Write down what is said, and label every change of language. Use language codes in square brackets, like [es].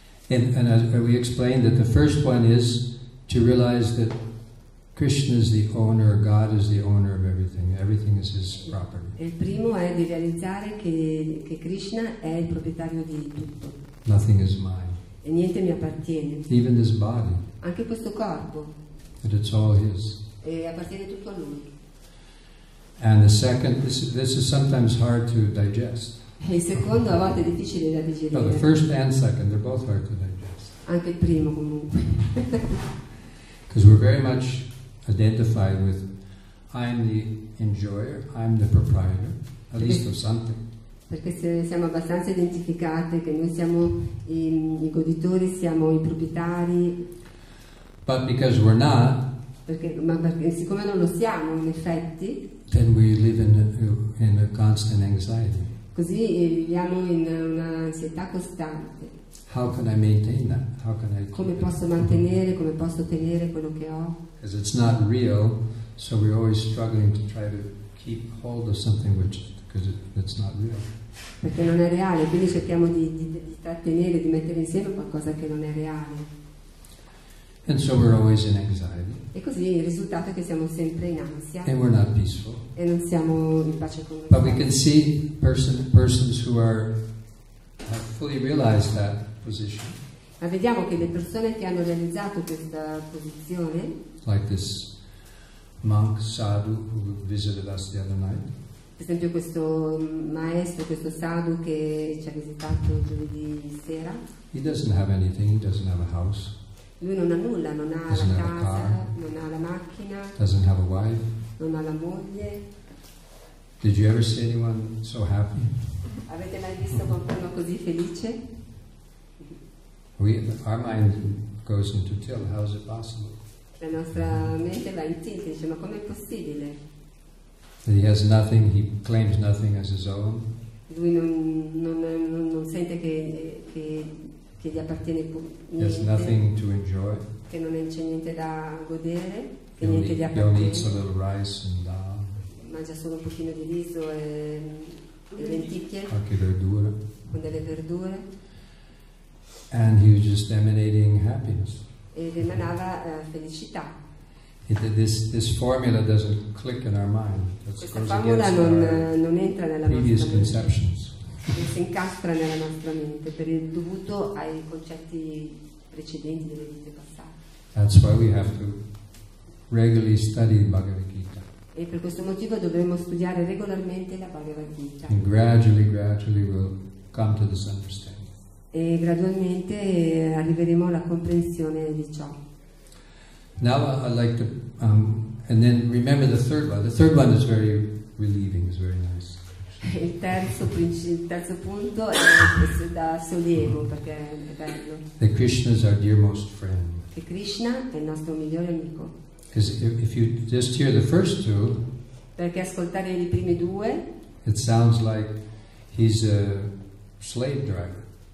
[en] And as we explained that the first one is to realize that Krishna is the owner, God is the owner of everything. Everything is his property. [it] Il primo è di realizzare che Krishna è il proprietario di tutto. [en] Nothing is mine. [it] E niente mi appartiene. [en] Even this body. [it] Anche questo corpo. [en] And it's all his. [it] E appartiene tutto a lui. [en] And the second, this is sometimes hard to digest. [it] E il secondo a volte è difficile da digerire. [en] No, the first and second, they're both hard to digest. [it] Anche il primo comunque. [en] Because we're very much identified with I'm the enjoyer, I'm the proprietor, at least of something. [it] Perché siamo abbastanza identificate che noi siamo i goditori, siamo i proprietari. [en] But because we're not, [it] perché siccome non lo siamo in effetti, [en] then we live in a constant anxiety. [it] Così viviamo in una ansietà costante. [en] How can I maintain that? How can I [it] come posso mantenere, come posso tenere quello che ho? [en] Because it's not real, so we're always struggling to try to keep hold of something which it's not real. [it] Perché non è reale, quindi cerchiamo di trattenere, di mettere insieme qualcosa che non è reale. [en] And so we're always in anxiety. [it] E così il risultato è che siamo sempre in ansia. [en] And we're not peaceful. [it] E non siamo in pace con noi. [en] But we can see persons who have fully realized that position. [it] Ma vediamo che le persone che hanno realizzato questa posizione. [en] Like this monk sadhu who visited us the other night. [it] Per esempio questo maestro, questo sadhu che ci ha visitato giovedì sera. [en] He doesn't have anything. He doesn't have a house. [it] Lui non ha nulla, non ha [en] doesn't [it] la casa, [en] car, [it] non ha la macchina. [en] Doesn't have a wife. [it] Non ha la moglie. [en] Did you ever see anyone so happy? [it] Avete mai visto qualcuno così felice? [en] Our mind goes into tilt. How is it possible? [it] La nostra mente va in tilt, dice ma com'è possibile? [en] That he has nothing, he claims nothing as his own. [it] Lui non sente che gli appartiene niente. [en] He has nothing to enjoy. [it] Che non c'è niente da godere. Che [en] only, [it] niente gli appartiene. [en] He eats a little rice and dal. [it] Mangia solo un pochino di riso e lenticchie. Qualche verdura. Con delle verdure. [en] And he was just emanating happiness. [it] Ed emanava felicità. [en] This formula doesn't click in our mind. [it] Questa formula non entra nella [en] previous conceptions. [it] Non si incastra nella nostra mente per il dovuto ai concetti precedenti delle vite passate. [en] That's why we have to regularly study the Bhagavad Gita. [it] E per questo motivo dovremo studiare regolarmente la Bhagavad Gita. [en] And gradually we'll come to this understanding. [it] E gradualmente arriveremo alla comprensione di ciò. [en] Now I'd like to and then remember the third one. The third one is very relieving, is very nice. [it] Il terzo punto è questo da sollievo perché è bello. [en] The Krishna is our dearmost friend. [it] Che Krishna è il nostro migliore amico. [en] Because if you just hear the first two, [it] perché ascoltare i primi due, [en] it sounds like he's a slave driver.